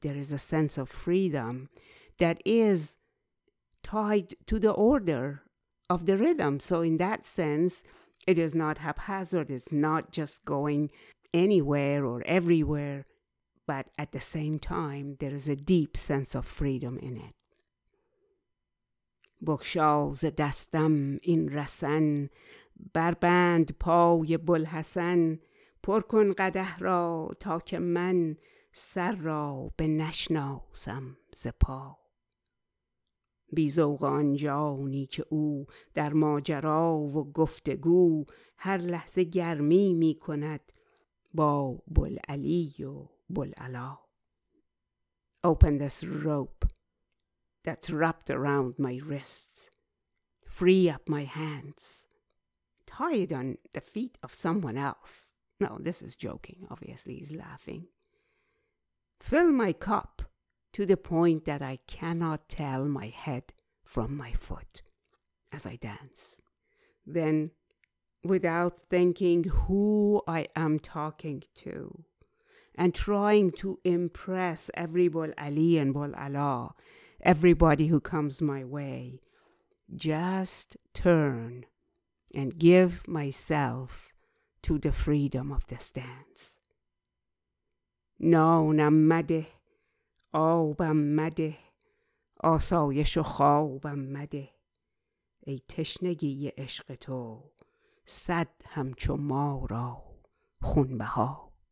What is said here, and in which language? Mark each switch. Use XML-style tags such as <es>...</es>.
<en>There is a sense of freedom that is tied to the order of the rhythm. So in that sense, it is not haphazard. It's not just going anywhere or everywhere, but at the same time, there is a deep sense of freedom in it.</en> <fa>بخشاو ز دستم این رسن، بربند پای بلحسن، پر کن قدح را تا که من سر را به نشناسم ز پا. بیزوغ آنجانی که او در ماجرا و گفتگو هر لحظه گرمی می کند با بلعلی و بلعلا.</fa> <en>Open this rope that's wrapped around my wrists. Free up my hands. Tie it on the feet of someone else. No, this is joking. Obviously, he's laughing. Fill my cup to the point that I cannot tell my head from my foot as I dance. Then, without thinking who I am talking to and trying to impress every Bulali and Bulala, everybody who comes my way, just turn and give myself to the freedom of this dance.</en> <fa>نانم مده، آبم مده، آسایش و خوابم مده، ای تشنگی عشق تو، صد همچو ما را خونبها.</fa>